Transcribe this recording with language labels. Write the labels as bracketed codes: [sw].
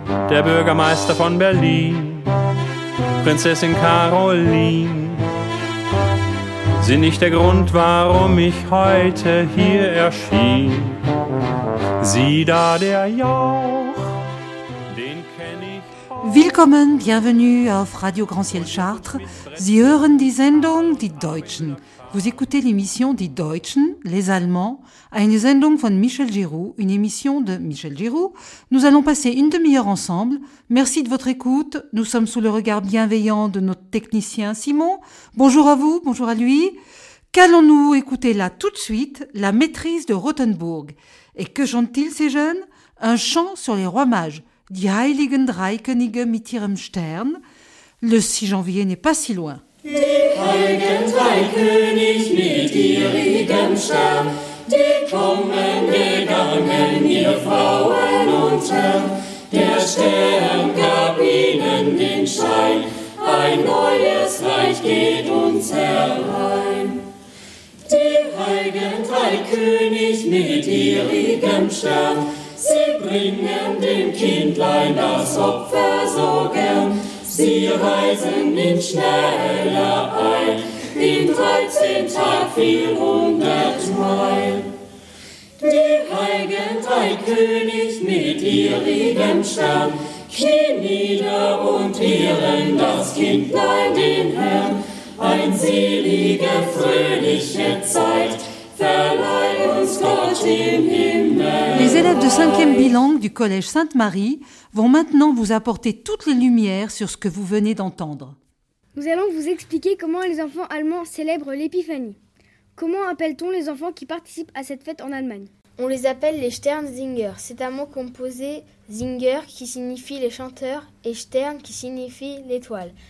[de] Der Bürgermeister von Berlin, Prinzessin Caroline, sind nicht der Grund, warum ich heute hier erschien. Sieh da der Jauch, den kenn ich auch. Willkommen, bienvenue auf Radio Grand Ciel Chartres. Sie hören die Sendung Die Deutschen. [fr] Vous écoutez l'émission Die Deutschen, les Allemands, [de] eine Sendung von Michel Giroux, [fr] une émission de Michel Giroux. Nous allons passer une demi-heure ensemble. Merci de votre écoute. Nous sommes sous le regard bienveillant de notre technicien Simon. Bonjour à vous, bonjour à lui. Qu'allons-nous écouter là tout de suite? La maîtrise de Rothenburg. Et que chantent-ils ces jeunes? Un chant sur les rois mages. [de] Die Heiligen drei Könige mit ihrem Stern. [fr] Le 6 janvier n'est pas si loin. [de] Die Heiligen drei König mit ihrem Stern, die kommen gegangen, ihr Frauen und Herren. Der Stern gab ihnen den Schein, ein neues Reich geht uns herein. Die Heiligen drei König mit ihrem Stern, sie bringen dem Kindlein das Opfer so gern. Sie reisen in schneller Eil, in 13 Tag 400 Meilen. Die Heiligen drei König mit ihrigem Stern, knien nieder und ehren das Kindlein, den Herrn. Ein selige, fröhliche Zeit, verleih uns Gott im Himmel. [fr] Les élèves de 5e bilingue du Collège Sainte-Marie vont maintenant vous apporter toutes les lumières sur ce que vous venez d'entendre. Nous allons vous expliquer comment les enfants allemands célèbrent l'épiphanie. Comment appelle-t-on les enfants qui participent à cette fête en Allemagne? On les appelle les Sternsinger. C'est un mot composé Singer qui signifie les chanteurs et Stern qui signifie l'étoile.